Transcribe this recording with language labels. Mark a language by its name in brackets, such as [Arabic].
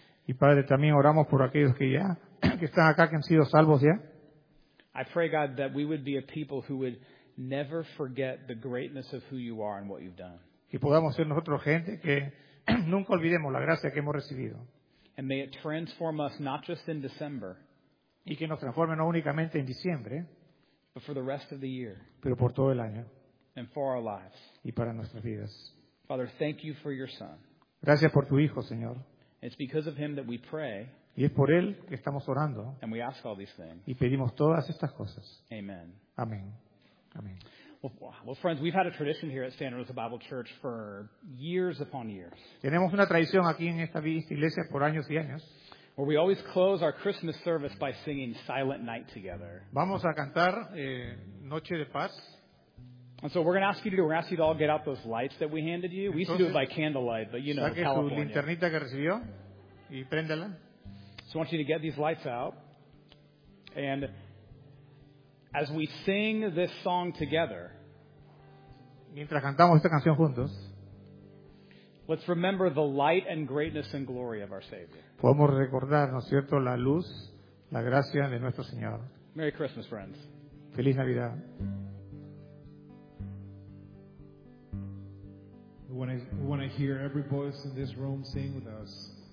[Spanish] Y Padre, también oramos por aquellos que ya que están acá, que han sido salvos ya. [English] I pray God that we would be a people who would never forget the greatness of who you are and what you've done. [Spanish] Y podamos ser nosotros gente que nunca olvidemos la gracia que hemos recibido. [English] And may it transform us not just in December. [Spanish] Y que nos transforme no únicamente en diciembre, [English] but for the rest of the year. [Spanish] Pero por todo el año. [English] And for our lives. [Spanish] Y para nuestras vidas. [English] Father, thank you for your son. [Spanish] Gracias por tu hijo, Señor. [English] It's because of him that we pray. [Spanish] Y es por él que estamos orando. [English] And we ask all these things. [Spanish] Y pedimos todas estas cosas. [English] Amen. [Spanish] Amén. Amén. [English] Well, friends, we've had a tradition here at Santa Rosa Bible Church for years upon years. [Spanish] Tenemos una tradición aquí en esta iglesia por años y años. [English] Where we always close our Christmas service by singing Silent Night together. [Spanish] Vamos a cantar Noche de Paz. [English] And so we're going to ask you to do, we're going to ask you to all get out those lights that we handed you. We used to do it by candlelight, but you know, California. [Spanish] Saque su linternita que recibió y préndela. [English] So I want you to get these lights out. And as we sing this song together, [Spanish] mientras cantamos esta canción juntos, [English] let's remember the light and greatness and glory of our Savior. [Spanish] Podemos recordar, ¿no es cierto?, la luz, la gracia de nuestro Señor. [English] Merry Christmas, friends. [Spanish] Feliz Navidad. [English] We want to hear every voice in this room sing with us.